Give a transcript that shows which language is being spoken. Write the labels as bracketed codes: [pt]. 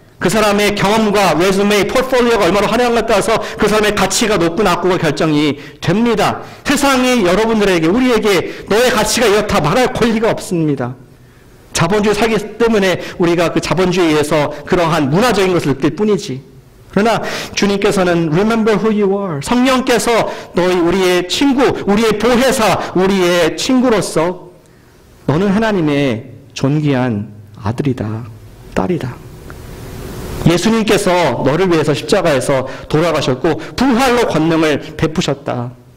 [ko] 그 사람의 경험과 레즈메, 포트폴리오가 얼마나 화려한가에 따라서 그 사람의 가치가 높고 낮고가 결정이 됩니다. 세상이 여러분들에게, 우리에게 너의 가치가 이렇다 말할 권리가 없습니다. 자본주의 사기 때문에 우리가 그 자본주의에 의해서 그러한 문화적인 것을 느낄 뿐이지. 그러나 주님께서는 [en] Remember who you are. [ko] 성령께서 너희 우리의 친구, 우리의 보혜사, 우리의 친구로서 너는 하나님의 존귀한 아들이다, 딸이다. 예수님께서 너를 위해서 십자가에서 돌아가셨고 부활로 권능을 베푸셨다.